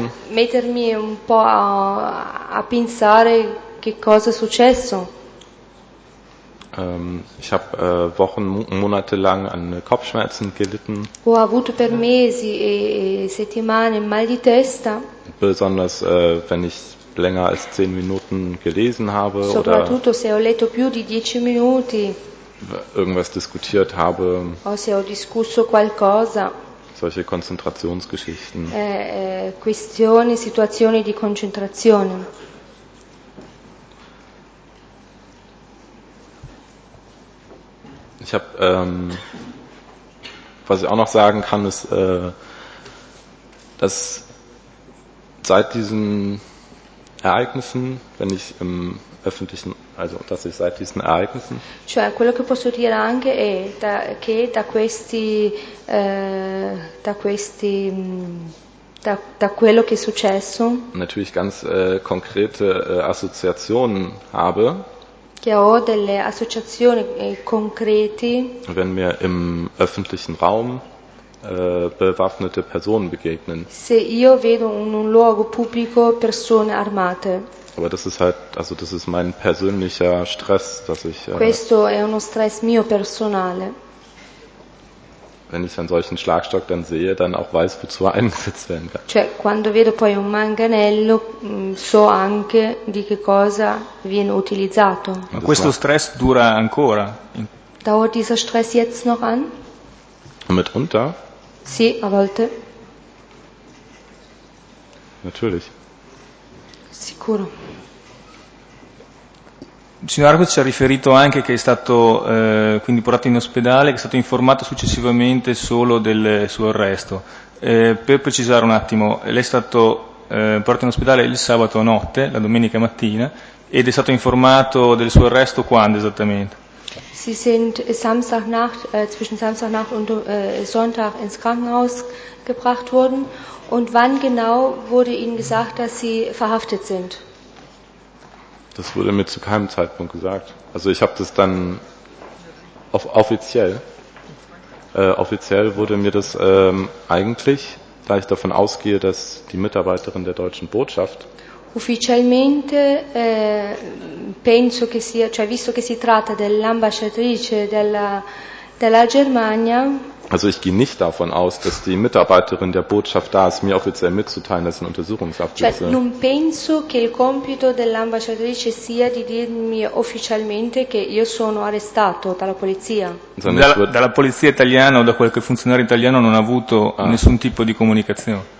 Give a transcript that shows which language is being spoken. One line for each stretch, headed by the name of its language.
Italian: Cioè, mettermi un po' a pensare che cosa è successo.
German: Ich habe Wochen, Monate lang an Kopfschmerzen gelitten.
Italian: Ho avuto per mesi e settimane mal di testa.
German: Besonders wenn ich länger als 10 Minuten gelesen habe
Italian: soprattutto
German: oder
Italian: se ho letto più di 10 minuti.
German: Irgendwas diskutiert habe.
Italian: O se ho discusso qualcosa.
German: Solche Konzentrationsgeschichten.
Italian: Questioni, situazioni di concentrazione.
German: Ich habe, was ich auch noch sagen kann, ist, dass seit diesen Ereignissen, wenn ich im öffentlichen, also dass ich seit diesen Ereignissen,
Italian: cioè quello che posso dire anche è che da questi, da quello che è successo,
German: natürlich ganz konkrete Assoziationen habe.
Italian: Che ho delle associazioni concrete.
German: Wenn mir im öffentlichen Raum bewaffnete Personen begegnen.
Italian: Se io vedo in un luogo pubblico persone armate.
German: Aber das ist halt, also das ist mein persönlicher Stress, dass ich.
Italian: Questo è uno stress mio personale.
German: Wenn ich einen solchen Schlagstock dann sehe, dann auch weiß, wozu er eingesetzt werden kann.
Italian: Cioè, quando vedo poi un manganello, so anche di che cosa viene utilizzato. Ma questo stress dura ancora?
German: Dauert dieser Stress jetzt noch an? Mitunter?
Italian: Sì, a volte.
German: Natürlich.
Italian: Sicuro. Il signor Arcos ci ha riferito anche che è stato quindi portato in ospedale, che è stato informato successivamente solo del suo arresto. Per precisare un attimo, lei è stato portato in ospedale il sabato notte, la domenica mattina, ed è stato informato del suo arresto quando esattamente?
German: Sie sind Samstagnacht, zwischen Samstagnacht und Sonntag ins Krankenhaus gebracht worden. Und wann genau wurde Ihnen gesagt, dass Sie verhaftet sind? Das wurde mir zu keinem Zeitpunkt gesagt. Also ich habe das dann offiziell wurde mir das eigentlich, da ich davon ausgehe, dass die Mitarbeiterin der deutschen Botschaft.
Italian: Ufficialmente penso che sia, cioè visto che si tratta dell'ambasciatrice della Germania.
German: Also ich gehe nicht davon aus, dass die Mitarbeiterin der Botschaft da ist, mir offiziell mitzuteilen, dass ein Untersuchungshaft ist.
Italian: Cioè, non penso che il compito dell'ambasciatrice sia di dirmi ufficialmente che io sono arrestato dalla polizia. Dalla polizia italiana o da qualche funzionario italiano non ha avuto nessun tipo di comunicazione.